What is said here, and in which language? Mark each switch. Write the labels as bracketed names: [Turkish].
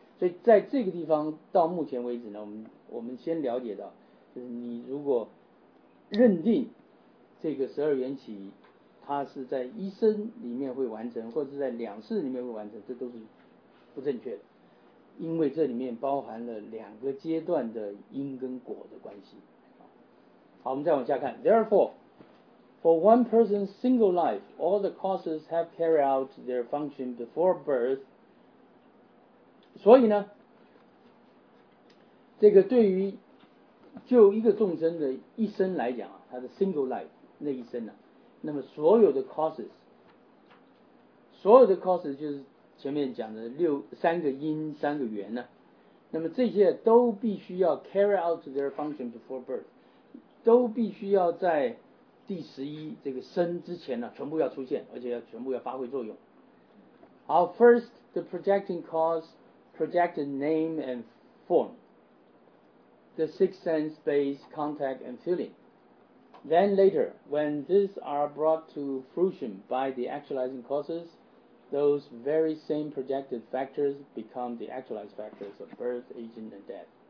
[Chinese] 所以在这个地方到目前为止呢，我们先了解到，就是你如果认定这个十二缘起，它是在一生里面会完成，或者是在两世里面会完成，这都是不正确的，因为这里面包含了两个阶段的因跟果的关系。好，我们再往下看。 [English] Therefore, for one person's single life, all the causes have carried out their function before birth. [Chinese] 所以呢，这个对于就一个众生的一生来讲，他的 single life 那一生呢，那么所有的 causes 就是前面讲的六三个因三个缘呢，那么这些都必须要 carry out their function before birth。都必须要在第十一这个生之前呢，全部要出现，而且要全部要发挥作用。 [English] 好 ，first the projecting cause, projected name and form, the sixth sense base contact and feeling. Then later, when these are brought to fruition by the actualizing causes, those very same projected factors become the actualized factors of birth, aging and death.